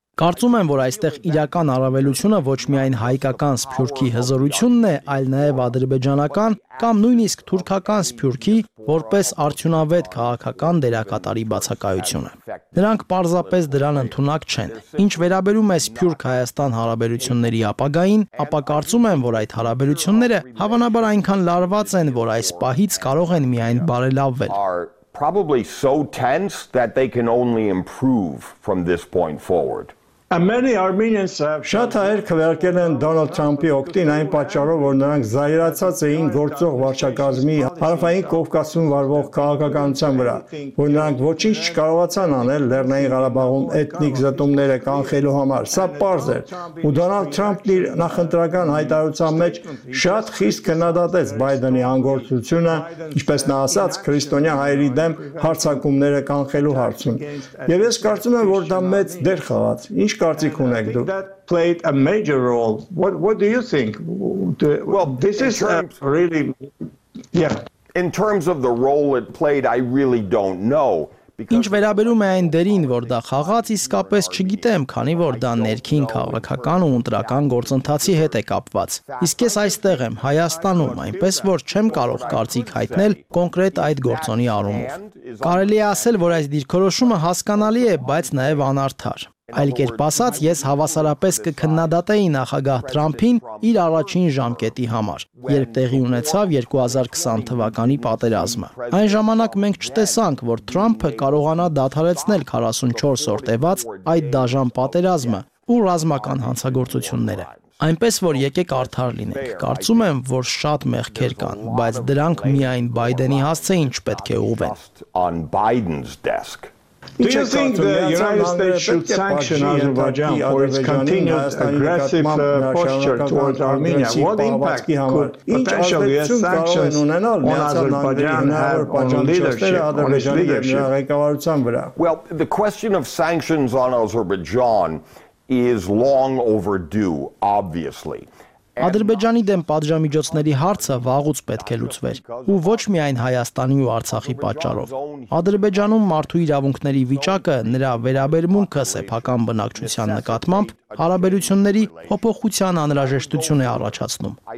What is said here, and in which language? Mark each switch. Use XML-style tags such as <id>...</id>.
<hy>Կարծում եմ, որ այստեղ իրական առավելությունը ոչ միայն հայկական սփյուռքի հզորությունն է, այլ նաև ադրբեջանական կամ նույնիսկ թուրքական սփյուռքի որպես արդյունավետ քաղաքական դերակատարի բացակայությունը։ Նրանք պարզապես դրան ընդունակ չեն։ Ինչ վերաբերում է սփյուռք Հայաստան հարաբերությունների ապագային, ապա կարծում եմ, որ այդ հարաբերությունները հավանաբար այնքան լարված են, որ այս պահից կարող են միայն բարելավվել։</hy> <en>Probably so tense that they can only improve from this point forward. And many Armenians have</en> <hy>շատ հայեր քվեարկել են Դոնալդ Թրամփի օկտին այն պատճառով, որ նրանք զայրացած էին գործող վարչակազմի Հարավային Կովկասում վարվող քաղաքականության վրա, որ նրանք ոչինչ չկարողացան անել Լեռնային Ղարաբաղում էթնիկ զտումները կանխելու համար։ Սա պարզ էր, ու Դոնալդ Թրամփն իր նախընտրական հայտարարության մեջ շատ խիստ քննադատեց Բայդենի անգործությունը, ինչպես նա ասաց, քրիստոնյա հայերի դեմ հարձակումները կանխելու հարցում։ Եվ ես կարծում եմ, որ դա մեծ դեր խաղաց։ Ինչ կարծիք ունեք դուք?</hy> <en>That played a major role. What do you think? Well, this is really In terms of the role it played, I really don't know.</en> <hy>Ինչ վերաբերում է այն դերին, որ դա խաղաց, իսկապես չգիտեմ, քանի որ դա ներքին քաղաքական ու ընտրական գործընթացի հետ է կապված։ Իսկ ես այստեղ եմ, Հայաստանում, այնպես որ չեմ կարող կարծիք հայտնել կոնկրետ այդ գործոնի առումով։ Կարելի է ասել, որ այս դիրքորոշումը հասկանալի է, բայց նաև անարդար։ Այլ կերպ ասած, ես հավասարապես կքննադատեի նախագահ Թրամփին իր առաջին ժամկետի համար, երբ տեղի ունեցավ 2020 թվականի պատերազմը։ Այն ժամանակ մենք չտեսանք, որ Թրամփը կարողանա դադարեցնել 44 օր տևած այդ դաժան պատերազմը ու ռազմական հանցագործությունները։ Այնպես որ եկեք արդար լինենք։ Կարծում եմ, որ շատ մեղքեր կան, բայց դրանք միայն Բայդենի հասցե ինչ պետք է ուղեն։</hy> <en>Do you think the United States should sanction Azerbaijan for its continued aggressive posture towards Armenia? What impact could potentially a sanction on Azerbaijan have on leadership? Well, the question of sanctions on Azerbaijan is long overdue, obviously.</en> <hy>Ադրբեջանի դեմ պատժամիջոցների հարցը վաղուց պետք է լուծվեր, ու ոչ միայն Հայաստանի ու Արցախի պատճառով։ Ադրբեջանում մարդու իրավունքների վիճակը նրա վերաբերմունքը սեփական բնակչության նկատմամբ հարաբերությունների փոփոխության անհրաժեշտություն է առաջացնում։</hy>